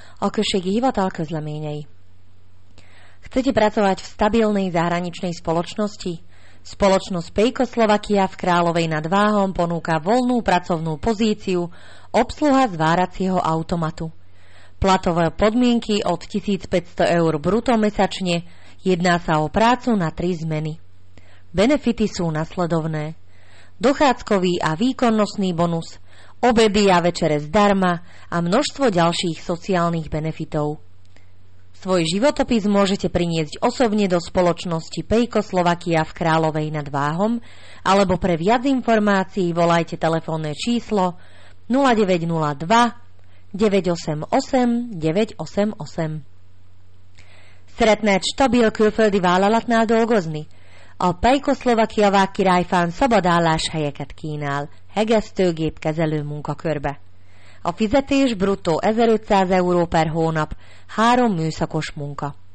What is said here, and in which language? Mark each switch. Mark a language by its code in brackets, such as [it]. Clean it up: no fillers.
[hu] Okršiek Hivatal Közleményei. [sk] Chcete pracovať v stabilnej zahraničnej spoločnosti? Spoločnosť Pejko Slovakia v Královej nad Váhom ponúka voľnú pracovnú pozíciu obsluha zváracieho automatu. Platové podmienky od 1500 eur bruto mesačne, jedná sa o prácu na 3 zmeny. Benefity sú nasledovné. Dochádzkový a výkonnostný bonus, obedy a večere zdarma a množstvo ďalších sociálnych benefitov. Svoj životopis môžete priniesť osobne do spoločnosti Pejko Slovakia v Královej nad Váhom alebo pre viac informácií volajte telefónne číslo 0902 988 988. [hu] Szeretnéd stabil külföldi vállalatnál dolgozni? A Pejko Slovakia Vág Királyfán szabad álláshelyeket kínál hegesztőgépkezelő munkakörbe. A fizetés bruttó 1500 euró per hónap, 3 műszakos munka.